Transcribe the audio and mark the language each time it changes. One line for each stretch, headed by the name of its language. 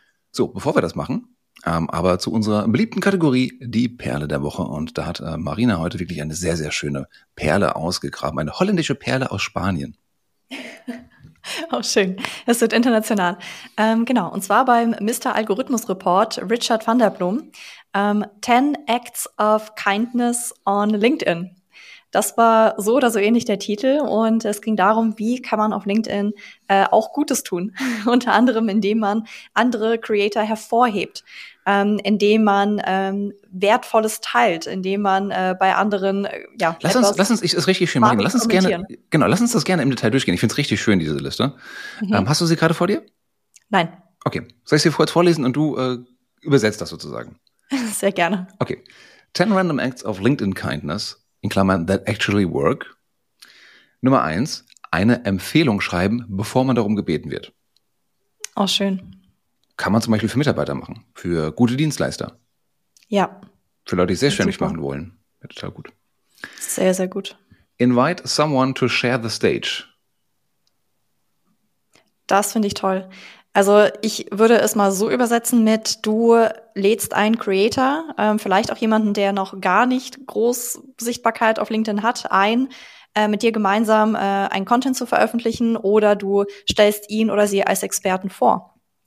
German: So, bevor wir das machen, aber zu unserer beliebten Kategorie, die Perle der Woche. Und da hat Marina heute wirklich eine sehr, sehr schöne Perle ausgegraben. Eine holländische Perle aus Spanien. Auch schön. Das wird international. Genau, und zwar beim Mr. Algorithmus Report Richard van der Blom.
English: 10 Acts of Kindness on LinkedIn.
German: Das war so oder so ähnlich der Titel und es ging darum, wie kann man auf LinkedIn auch Gutes tun. Unter anderem, indem man andere Creator hervorhebt, indem man Wertvolles teilt, indem man bei anderen, ja, lass uns, ich es richtig schön machen. Lass uns das gerne im Detail durchgehen. Ich finde es richtig schön, diese Liste. Mhm. Hast du sie gerade vor dir? Nein. Okay. Soll ich sie kurz vorlesen und du übersetzt das sozusagen? Sehr gerne. Okay.
English: 10 random acts of LinkedIn kindness.
German: In Klammern,
English: that actually work.
German: Nummer 1, eine Empfehlung schreiben, bevor man darum gebeten wird. Oh, schön. Kann man zum Beispiel für Mitarbeiter machen, für gute Dienstleister. Ja. Für Leute, die sehr schön machen wollen. Ja, total gut. Sehr, sehr gut.
English: Invite someone to share the stage.
German: Das finde ich toll. Also ich würde es mal so übersetzen mit, du lädst einen Creator, vielleicht auch jemanden, der noch gar nicht groß Sichtbarkeit auf LinkedIn hat, ein, mit dir gemeinsam einen Content zu veröffentlichen oder du stellst ihn oder sie als Experten vor.